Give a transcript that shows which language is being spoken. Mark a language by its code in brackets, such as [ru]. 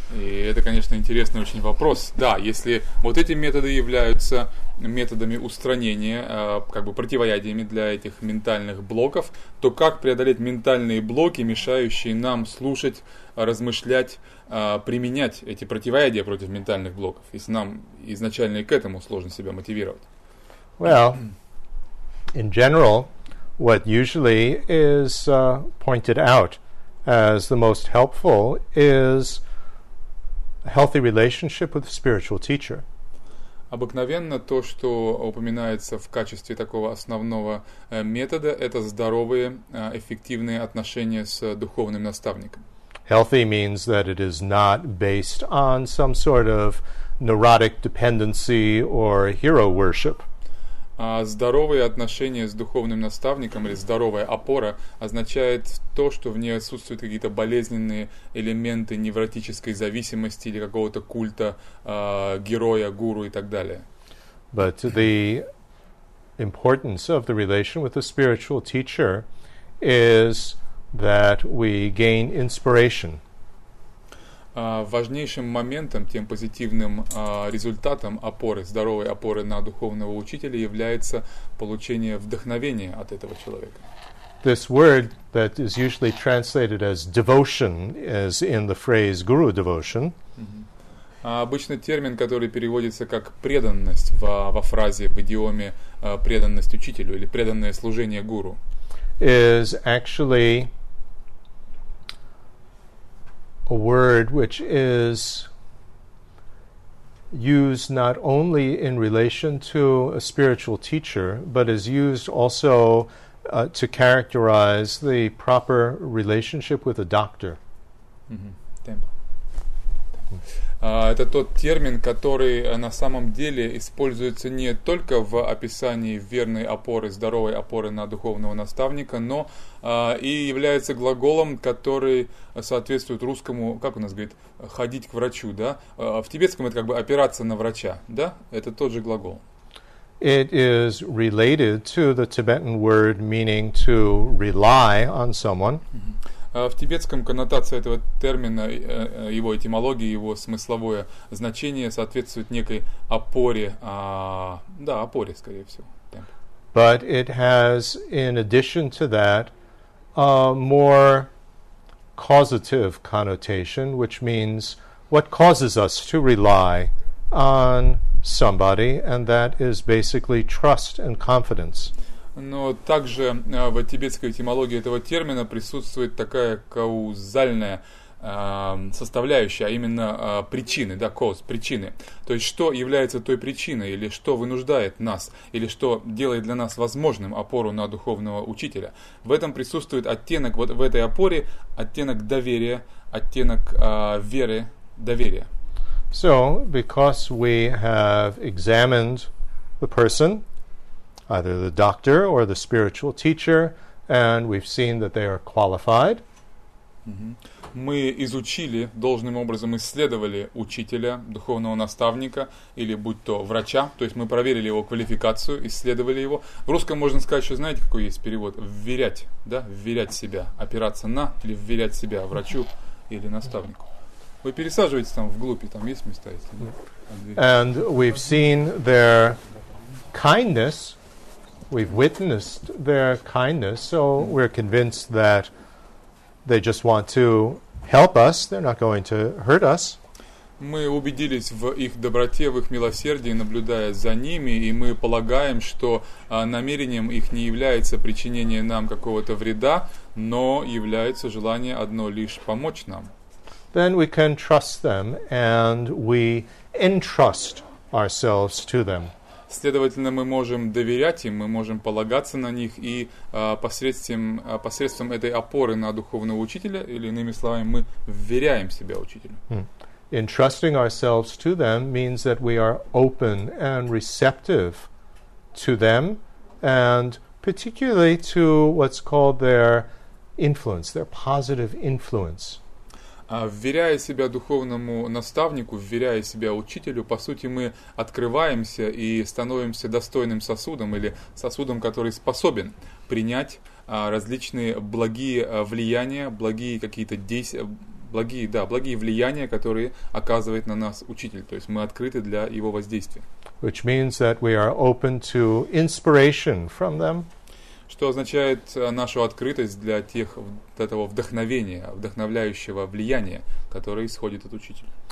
[ru] И это, конечно, интересный очень вопрос. Да, если вот эти методы являются методами устранения, как бы противоядиями для этих ментальных блоков, то как преодолеть ментальные блоки, мешающие нам слушать, размышлять, применять эти противоядия против ментальных блоков, если нам изначально и к этому сложно себя мотивировать? [en] Well, in general, what usually is pointed out as the most helpful is a healthy relationship with the spiritual teacher. [ru] Обыкновенно то, что упоминается в качестве такого основного метода, это здоровые, эффективные отношения с духовным наставником. [en] Healthy means that it is not based on some sort of neurotic dependency or hero worship. [ru] Здоровые отношения с духовным наставником или здоровая опора означает то, что в ней отсутствуют какие-то болезненные элементы невротической зависимости или какого-то культа героя, гуру и так далее. [en] But the importance of the relation with the spiritual teacher is that we gain inspiration. [ru] Важнейшим моментом, тем позитивным результатом опоры, здоровой опоры на духовного учителя является получение вдохновения от этого человека. [en] This word that is usually translated as devotion, as in the phrase guru devotion. [ru] Обычно термин, который переводится как преданность во фразе, в идиоме преданность учителю или преданное служение гуру. [en] Is actually a word which is used not only in relation to a spiritual teacher, but is used also to characterize the proper relationship with a doctor. [ru] Это тот термин, который на самом деле используется не только в описании верной опоры, здоровой опоры на духовного наставника, но и является глаголом, который соответствует русскому, как у нас говорит, ходить к врачу, да? В тибетском это как бы опираться на врача, да? Это тот же глагол. [en] It is related to the Tibetan word meaning to rely on someone. [ru] В тибетском коннотация этого термина, его этимология, его смысловое значение соответствует некой опоре, да, опоре, скорее всего. [en] But it has, in addition to that, a more causative connotation, which means what causes us to rely on somebody, and that is basically trust and confidence. [ru] Но также в тибетской этимологии этого термина присутствует такая каузальная составляющая, а именно причины, да, cause, причины. То есть, что является той причиной, или что вынуждает нас, или что делает для нас возможным опору на духовного учителя. В этом присутствует оттенок, вот в этой опоре, оттенок доверия, оттенок веры, доверия. [en] So, because we have examined the person, either the doctor or the spiritual teacher, and we've seen that they are qualified. [ru] Мы изучили, должным образом исследовали учителя, духовного наставника, или будь то врача, то есть мы проверили его квалификацию, исследовали его. В русском можно сказать, что знаете, какой есть перевод? Вверять, да, вверять себя, опираться на, или вверять себя врачу или наставнику. Вы пересаживаетесь там вглубь, там есть места, если нет? [en] And we've seen their kindness, we've witnessed their kindness, so we're convinced that they just want to help us, they're not going to hurt us. [ru] Мы убедились в их доброте, в их милосердии, наблюдая за ними, и мы полагаем, что намерением их не является причинение нам какого-то вреда, но является желание одно лишь помочь нам. [en] Then we can trust them and we entrust ourselves to them. [ru] Следовательно, мы можем доверять им, мы можем полагаться на них и посредством этой опоры на духовного учителя, или иными словами, мы вверяем себя учителю. [en] Entrusting ourselves to them means that we are open and receptive to them, and particularly to what's called their influence, their positive influence. [ru] Вверяя себя духовному наставнику, вверяя себя учителю, по сути, мы открываемся и становимся достойным сосудом или сосудом, который способен принять различные благие влияния, благие какие-то действия, благие, да, благие влияния, которые оказывает на нас учитель. То есть мы открыты для его воздействия. [en] Which means that we are open to inspiration from them. [ru] Что означает нашу открытость для тех, для того вдохновения, вдохновляющего влияния, которое исходит от учителя.